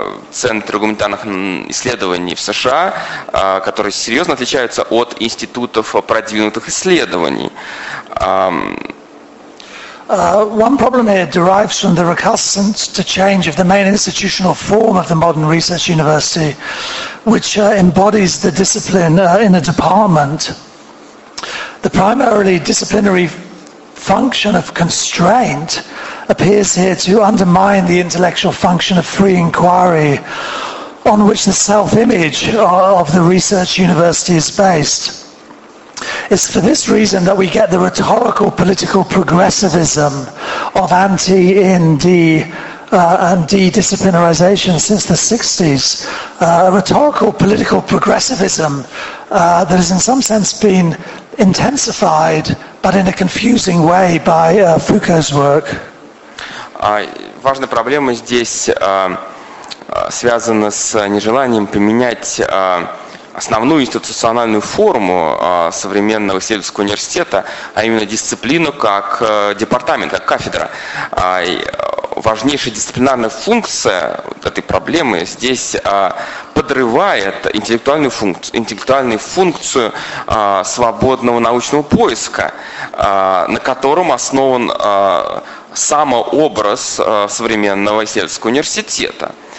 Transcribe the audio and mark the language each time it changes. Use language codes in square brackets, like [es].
[ru] Центры гуманитарных исследований в США, которые серьезно отличаются от институтов продвинутых исследований. [en] One problem here derives from the recalcitrance to change of the main institutional form of the modern research university, which embodies the discipline in a department. The primarily disciplinary function of constraint appears here to undermine the intellectual function of free inquiry on which the self-image of the research university is based. It's for this reason that we get the rhetorical political progressivism of anti-IND and de-disciplinarization since the 60s. A rhetorical political progressivism that has in some sense been intensified, but in a confusing way by Foucault's work. [ru] Важная проблема здесь связано с нежеланием поменять основную институциональную форму современного исследовательского университета, а именно дисциплину как департамент, как кафедра. Важнейшая дисциплинарная функция этой проблемы здесь подрывает интеллектуальную функцию свободного научного поиска, на котором основан самообраз современного исследовательского университета.